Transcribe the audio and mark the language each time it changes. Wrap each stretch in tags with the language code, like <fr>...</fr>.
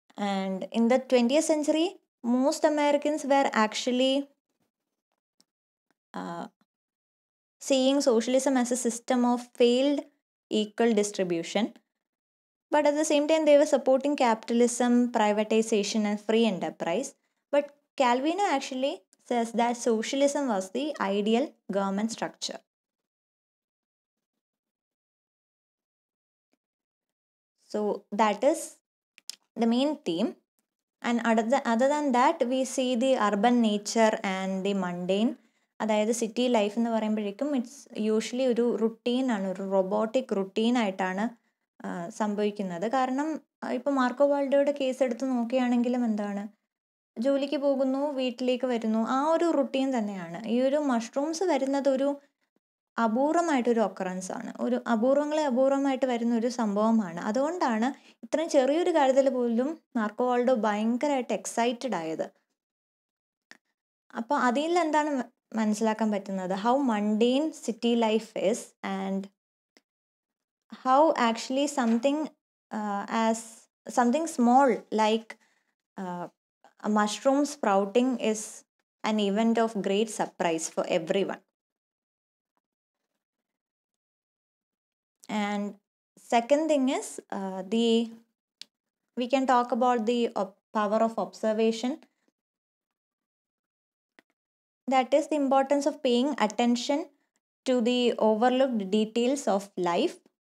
<en>And in the 20th century most Americans were actually seeing socialism as a system of failed equal distribution, but at the same time they were supporting capitalism, privatization and free enterprise. But Calvino actually says that socialism was the ideal government structure. So that is the main theme. And other than that, we see the urban nature and the mundane.</en> <ml>അതായത് city life എന്ന് പറയുമ്പോഴേക്കും</ml> <en>it's usually</en> <ml>ഒരു റുട്ടീനാണ്, ഒരു robotic റുട്ടീനായിട്ടാണ് സംഭവിക്കുന്നത്. കാരണം ഇപ്പോൾ Marco വാൾഡോയുടെ case എടുത്ത് നോക്കുകയാണെങ്കിലും എന്താണ്, ജോലിക്ക് പോകുന്നു, വീട്ടിലേക്ക് വരുന്നു, ആ ഒരു റുട്ടീൻ തന്നെയാണ്. ഈ ഒരു മഷ്റൂംസ് വരുന്നത് ഒരു അപൂർവമായിട്ടൊരു ഒക്കറൻസ് ആണ്, ഒരു അപൂർവങ്ങളെ അപൂർവമായിട്ട് വരുന്ന ഒരു സംഭവമാണ്. അതുകൊണ്ടാണ് ഇത്രയും ചെറിയൊരു കാര്യത്തിൽ പോലും മാർക്കോ വാൾഡോ ഭയങ്കരമായിട്ട് എക്സൈറ്റഡ് ആയത്. അപ്പോൾ അതിൽ എന്താണ് മനസ്സിലാക്കാൻ പറ്റുന്നത്?</ml> <en>How mundane city life is and how actually something as something small like mushroom sprouting is an event of great surprise for every one. And second thing is the we can talk about the power of observation, that is the importance of paying attention to the overlooked details of life.</en>